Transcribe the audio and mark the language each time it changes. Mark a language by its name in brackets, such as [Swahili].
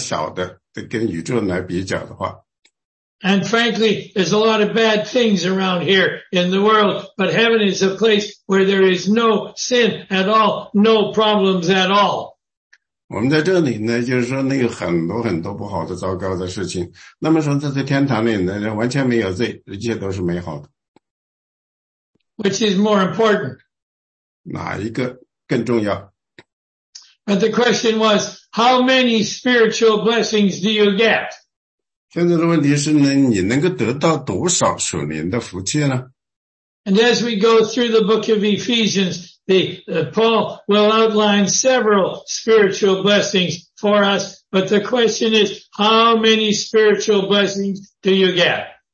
[Chinese] 所以呢,这个里面讲的呢,就是说,你这个非常小的,跟宇宙来比较的话, [English] And frankly, there's a lot of bad things around here in the world, but heaven is a place where there is no sin at all, no problems at all. [Chinese] 我们在这里呢,就是说那有很多很多不好的糟糕的事情, 那么说在天堂里呢,完全没有罪, 一切都是美好的。 [English] Which is more important? [Chinese] 哪一个更重要? [English] But the question was, how many spiritual blessings do you get? [Chinese] 现在的问题是呢,你能够得到多少属灵的福气呢? [English] And as we go through the book of Ephesians, Paul will outline several spiritual blessings for us, but the question is, how many spiritual blessings do you get?